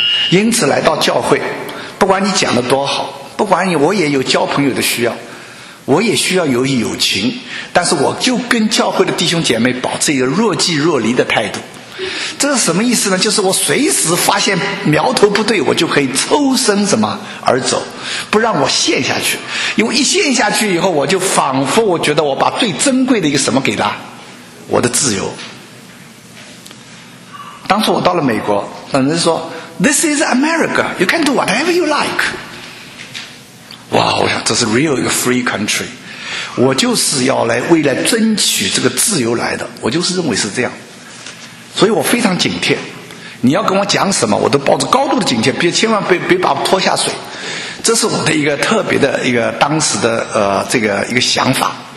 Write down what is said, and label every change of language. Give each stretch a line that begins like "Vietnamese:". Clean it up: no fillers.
Chinese: 因此来到教会，不管你讲得多好，不管你，我也有交朋友的需要，我也需要有义有情，但是我就跟教会的弟兄姐妹保持一个若即若离的态度。这是什么意思呢？就是我随时发现苗头不对，我就可以抽身什么而走，不让我陷下去。因为一陷下去以后，我就仿佛我觉得我把最珍贵的一个什么给他，我的自由。当初我到了美国，人家说
English: This is America, you can do whatever you like。
Chinese: 哇，我想这是
English: real
Chinese: 一个
English: free country，
Chinese: 我就是要来为了争取这个自由来的，我就是认为是这样，所以我非常警惕。你要跟我讲什么，我都抱着高度的警惕，别千万别把我拖下水。这是我的一个特别的一个当时的这个一个想法。